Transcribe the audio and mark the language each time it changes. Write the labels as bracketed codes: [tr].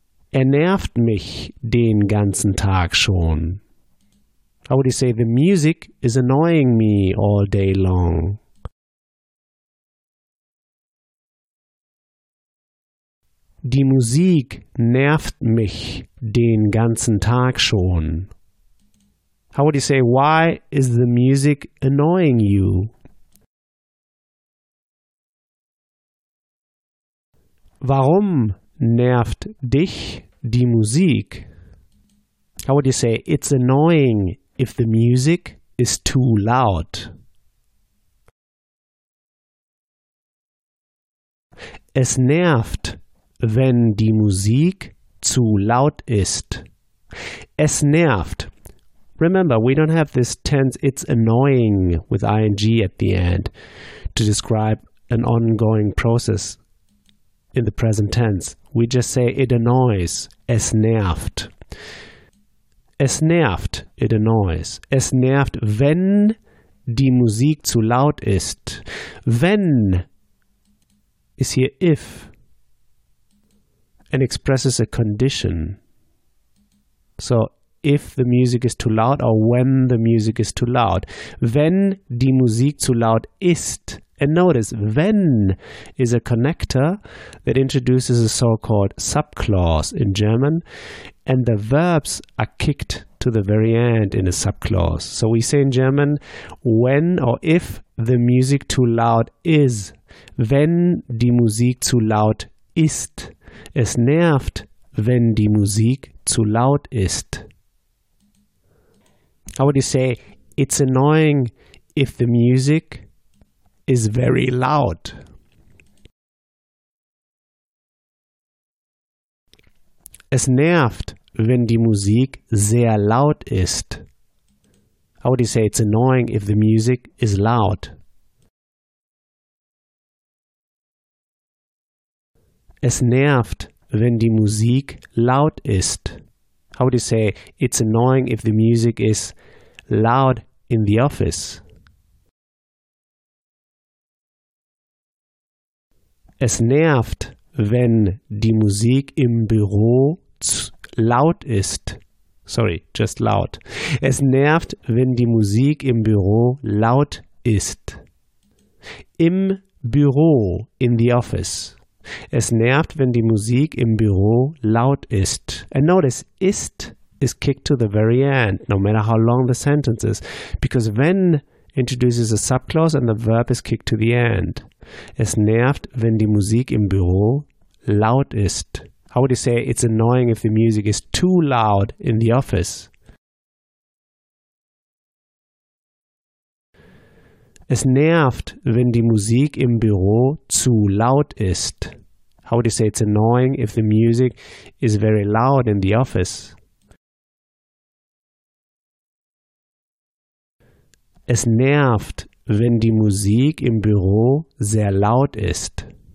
[de] Er nervt mich den ganzen Tag schon. [en] How would you say, the music is annoying me all day long? [de] Die Musik nervt mich den ganzen Tag schon. [en] How would you say, why is the music annoying you? [de] Warum nervt dich die Musik? [en] How would you say, it's annoying if the music is too loud? [de] Es nervt, wenn die Musik zu laut ist. Es nervt. [en] Remember, we don't have this tense, it's annoying with ing at the end to describe an ongoing process in the present tense. We just say it annoys, [de] es nervt. Es nervt, [en] it annoys. Es nervt, wenn die Musik zu laut ist. Wenn is here if and expresses a condition. So if the music is too loud or when the music is too loud. [de] Wenn die Musik zu laut ist. [en] And notice, wenn is a connector that introduces a so-called subclause in German. And the verbs are kicked to the very end in a subclause. So we say in German, when or if the music too loud is. [de] Wenn die Musik zu laut ist. Es nervt, wenn die Musik zu laut ist. [en] How would you say, it's annoying if the music is very loud? [de] Es nervt, wenn die Musik sehr laut ist. [en] How would you say, it's annoying if the music is loud? [de] Es nervt, wenn die Musik laut ist. [en] How would you say, it's annoying if the music is loud in the office? [de] Es nervt, wenn die Musik im Büro laut ist. [en] Sorry, just loud. [de] Es nervt, wenn die Musik im Büro laut ist. Im Büro, [en] in the office. [de] Es nervt, wenn die Musik im Büro laut ist. [en] And notice, ist is kicked to the very end, no matter how long the sentence is. Because wenn introduces a subclause and the verb is kicked to the end. [de] Es nervt, wenn die Musik im Büro laut ist. [en] How would you say, it's annoying if the music is too loud in the office? [de] Es nervt, wenn die Musik im Büro zu laut ist. [en] How would you say, it's annoying if the music is very loud in the office? [de] Es nervt, wenn die Musik im Büro sehr laut ist.